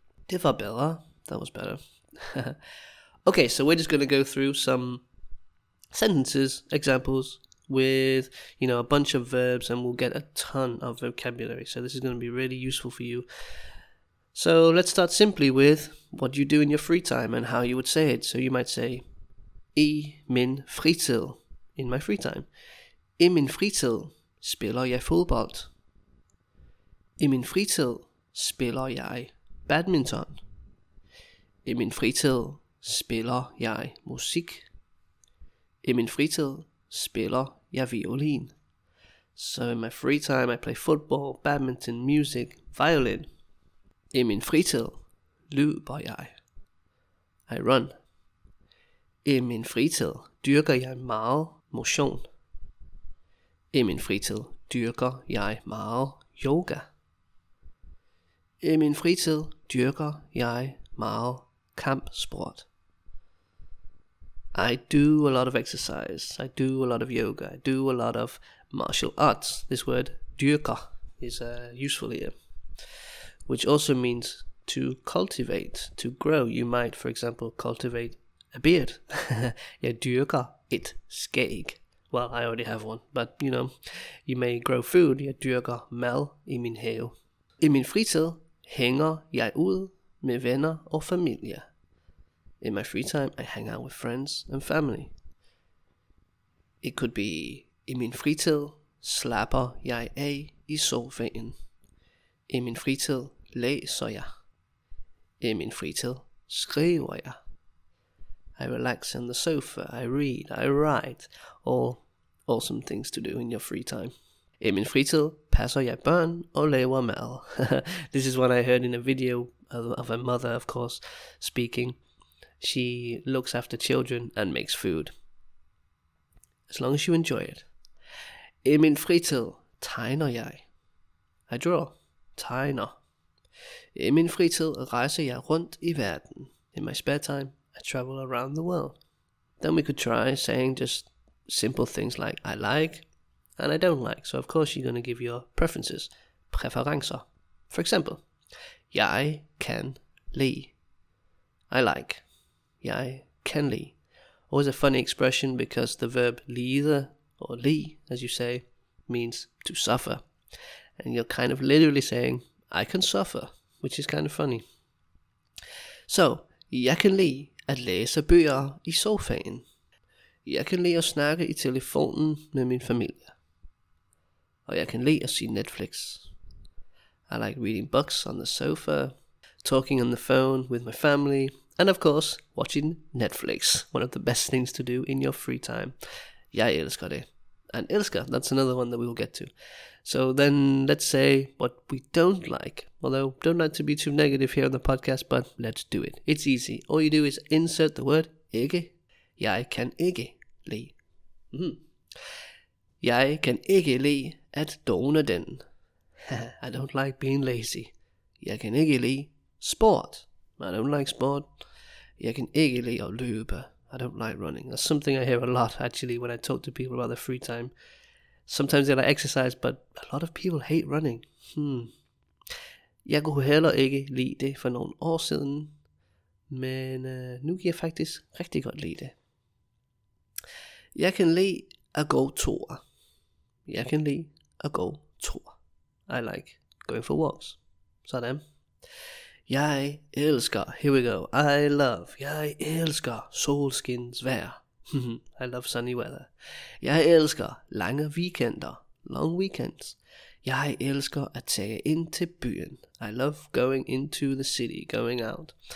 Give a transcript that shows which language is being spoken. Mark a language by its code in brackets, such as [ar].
[da] Det var bedre. [en] That was better. Okay, so we're just gonna go through some sentences, examples, with, you know, a bunch of verbs, and we'll get a ton of vocabulary. So this is gonna be really useful for you. So let's start simply with what you do in your free time and how you would say it. So you might say, [da] I min fritid, [en] in my free time. [da] I min fritid spiller jeg fodbold. I min fritid spiller jeg badminton. I min fritid spiller jeg musik. I min fritid spiller jeg violin. [en] So in my free time I play football, badminton, music, violin. [da] I min fritid løber jeg. [en] I run. [da] I min fritid dyrker jeg meget motion. I min fritid dyrker jeg meget yoga. I min fritid dyrker jeg meget kampsport. [en] I do a lot of exercise. I do a lot of yoga. I do a lot of martial arts. This word dyrker is useful here, which also means to cultivate, to grow. You might, for example, cultivate a beard. [da] Jeg dyrker et skæg. [en] Well, I already have one, but you know, you may grow food. [da] Jeg dyrker mad I min have. I min fritid hænger jeg ud med venner og familie. [en] In my free time, I hang out with friends and family. It could be, [da] I min fritid slapper jeg af I sofaen. I min fritid læser jeg. I min fritid skriver jeg. [en] I relax on the sofa, I read, I write. All awesome things to do in your free time. [da] I min fritid passer jeg børn og laver mad. [en] This is what I heard in a video of a mother, of course, speaking. She looks after children and makes food. As long as you enjoy it. [da] I min fritid tegner jeg. [en] I draw. [da] Tegner. I min fritid rejser jeg rundt I verden. [en] In my spare time, I travel around the world. Then we could try saying just simple things like I like and I don't like. So of course you're going to give your preferences. [da] Preferencer. [en] For example, [da] jeg kan lide. [en] I like. [da] Jeg kan lide. [en] Always a funny expression because the verb lide or li, as you say, means to suffer. And you're kind of literally saying, I can suffer, which is kind of funny. [da] So, jeg kan lide at læse bøger I sofaen. Jeg kan lide at snakke I telefonen med min familie. Og jeg kan lide at se Netflix. [en] I like reading books on the sofa, talking on the phone with my family. And of course, watching Netflix, one of the best things to do in your free time. [da] Jeg elsker det. [en] And elsker, that's another one that we will get to. So then let's say what we don't like. Although, don't like to be too negative here on the podcast, but let's do it. It's easy. All you do is insert the word ikke. [da] Jeg kan ikke lide. Jeg kan ikke lide at dåne den. [en] I don't like being lazy. [da] Jeg kan ikke lide sport. [en] I don't like sport. [da] Jeg kan ikke lide at løbe. [en] I don't like running. That's something I hear a lot, actually, when I talk to people about their free time. Sometimes they like exercise, but a lot of people hate running. [da] Jeg kunne heller ikke lide det for nogle år siden, men nu kan jeg faktisk rigtig godt lide det. Jeg kan lide at gå tur. Jeg kan lide at gå tur. [en] I like going for walks. [da] Sådan. Jeg elsker, [en] here we go, I love, [da] jeg elsker solskins vejr. [en] I love sunny weather. [da] Jeg elsker lange weekender, [en] long weekends. [da] Jeg elsker at tage ind til byen. [en] I love going into the city, going out.